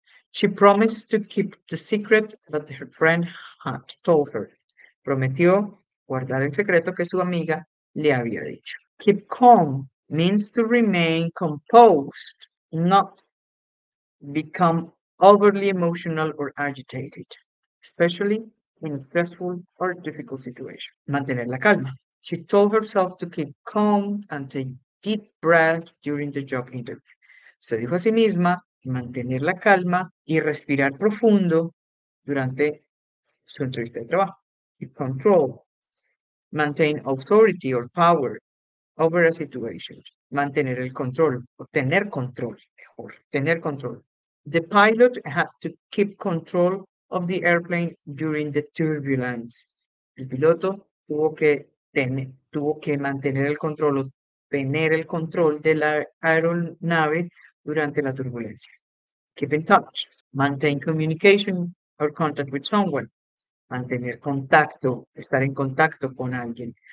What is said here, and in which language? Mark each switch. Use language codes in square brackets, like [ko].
[en] She promised to keep the secret that her friend had told her. [es] Prometió guardar el secreto que su amiga le había dicho. [en] Keep calm means to remain composed, not become overly emotional or agitated, especially in a stressful or difficult situation. [es] Mantener la calma. [en] She told herself to keep calm and take deep breaths during the job interview. [es] Se dijo a sí misma mantener la calma y respirar profundo durante su entrevista de trabajo. [en] Keep control. Maintain authority or power over a situation. [es] Mantener el control o tener control, mejor, tener control. [en] The pilot had to keep control of the airplane during the turbulence. [es] El piloto tuvo que mantener el control o tener el control de la aeronave durante la turbulencia. [en] Keep in touch. Maintain communication or contact with someone. [es] Mantener contacto, estar en contacto con alguien.